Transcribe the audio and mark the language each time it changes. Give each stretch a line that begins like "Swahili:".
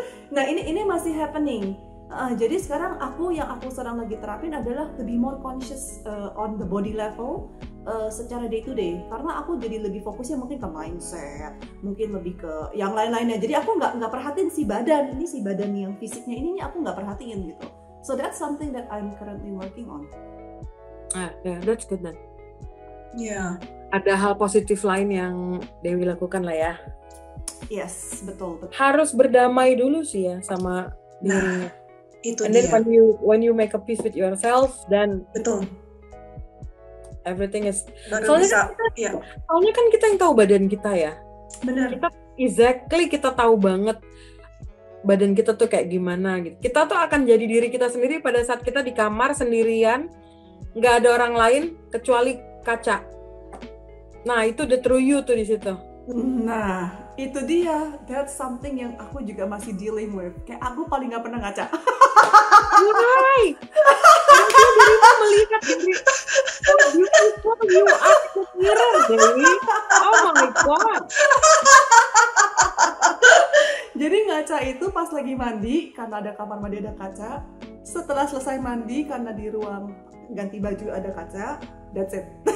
Indonesian: Nah ini masih happening. Jadi sekarang yang aku sekarang lagi terapin adalah
English: to be more conscious on the body level
Indonesian: secara
English: day to day.
Indonesian: Karena aku jadi lebih fokusnya mungkin ke mindset, mungkin lebih ke yang lain-lainnya. Jadi aku nggak perhatiin si badan yang fisiknya ini aku nggak perhatiin gitu.
English: So that's something that I'm currently working on. Yeah, that's good then. Yeah.
Indonesian: Ada hal positif lain yang Dewi lakukan lah ya.
English: Yes,
Indonesian: betul. Harus berdamai dulu sih ya sama diri. Nah. Itu
English: and
Indonesian: dia.
English: Then when you make a peace with yourself, then
Indonesian: betul.
English: Everything is.
Indonesian: Baru soalnya bisa, kan, ya. Soalnya kan kita yang tahu badan kita ya. Benar. Kita
English: exactly
Indonesian: kita tahu banget badan kita tuh kayak gimana gitu. Kita tuh akan jadi diri kita sendiri pada saat kita di kamar sendirian, nggak ada orang lain kecuali kaca. Nah itu
English: the true you
Indonesian: tuh di situ. Nah. Itu dia,
English: that's something
Indonesian: yang aku juga masih
English: dealing with.
Indonesian: Kayak aku paling gak pernah ngaca.
English: Why?
Indonesian: Karena diri kamu melihat diri.
English: So beautiful you are the mirror, Dewi. Oh my God.
Indonesian: Jadi ngaca itu pas lagi mandi, karena ada kamar mandi ada kaca. Setelah selesai mandi, karena di ruang ganti baju ada kaca,
English: that's it.